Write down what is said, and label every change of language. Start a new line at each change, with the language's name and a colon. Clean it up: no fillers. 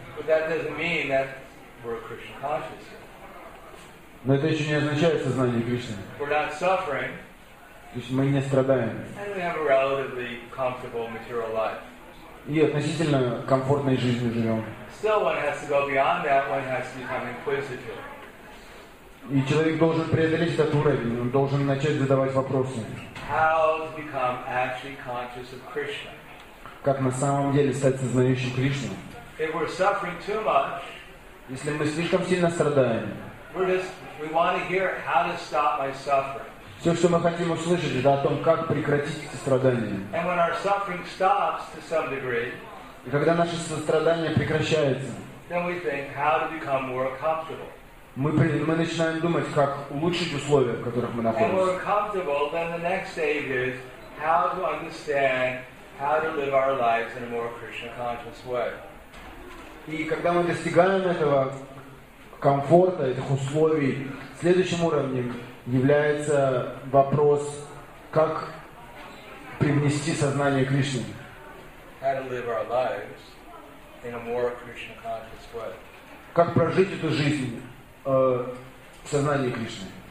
English: But that doesn't mean that we're Krishna conscious.
Russian: Но это еще не означает сознание Кришны.
English: We're not suffering.
Russian: То есть мы не страдаем.
English: And we have a relatively comfortable material life.
Russian: и относительно комфортной жизнью живем.
English: Still, one has to go beyond that. One has to become inquisitive.
Russian: И человек должен преодолеть этот уровень. Он должен начать задавать вопросы.
English: How to become actually conscious of Krishna?
Russian: Как на самом деле стать сознающим Кришну?
English: If we're suffering too much,
Russian: если мы слишком сильно страдаем,
English: we want to hear how to stop my suffering.
Russian: Все, что мы хотим услышать, это о том, как прекратить эти страдания.
English: And when our suffering stops to some degree,
Russian: и когда наше сострадание прекращается,
English: then we think how to become more comfortable.
Russian: Мы начинаем думать, как улучшить условия, в которых мы находимся.
English: And when we're comfortable, then the next stage is how to understand how to live our lives in a more Krishna-conscious way.
Russian: И когда мы достигаем этого комфорта, этих условий, следующим уровнем является вопрос, как привнести сознание Кришне.
English: How to live our lives in a more Krishna-conscious way.
Russian: Как прожить эту жизнь в сознании Кришны.